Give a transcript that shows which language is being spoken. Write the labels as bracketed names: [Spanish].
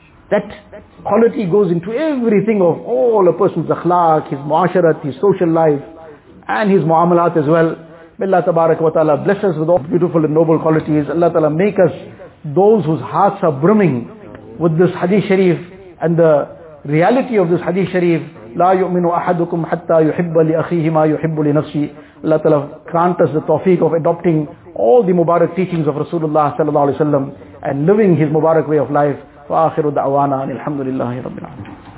[English] That quality goes into everything of all a person's akhlaq, his mu'asharat, his social life, and his mu'amalat as well. May Allah tabarak wa ta'ala bless us with all beautiful and noble qualities. Allah ta'ala make us those whose hearts are brimming with this hadith sharif and the reality of this hadith sharif. [Arabic] لا يؤمن أحدكم حتى يحب لأخيه ما يحب لنفسه. [English] Allah Ta'ala grant us the tawfiq of adopting all the mubarak teachings of Rasulullah sallallahu alaihi wasallam and living his mubarak way of life. [Arabic] وآخر دعوانا أن الحمد لله رب العالمين.